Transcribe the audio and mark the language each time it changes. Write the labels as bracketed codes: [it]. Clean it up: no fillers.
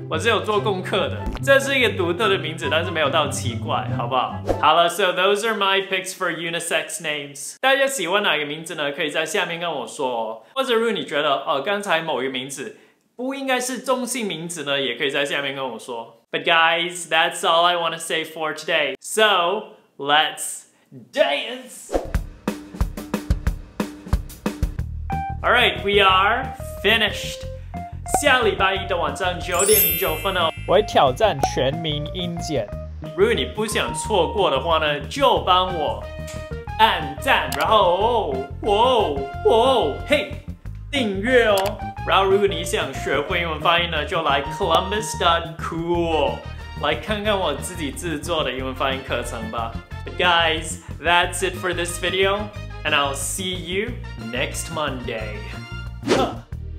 [zh] 我是有做功课的，这是一个独特的名字，但是没有到奇怪，好不好？好了， [en] so those are my picks for unisex names， [zh] 大家喜欢哪个名字呢，可以在下面跟我说哦。或者如果你觉得，哦，刚才某一个名字不应该是中性名字呢，也可以在下面跟我说。 [en] But guys, that's all I want to say for today. So, let's dance! Alright, we are finished. [zh] 下礼拜一的晚上9:09哦，我会挑战全民音检。如果你不想错过的话呢，就帮我按赞，然后哦，哦，哦，嘿，订阅哦。然后如果你想学会英文发音呢，就来 columbus.cool 来看看我自己制作的英文发音课程吧。 [en] But guys, that's it for this video, and I'll see you next Monday.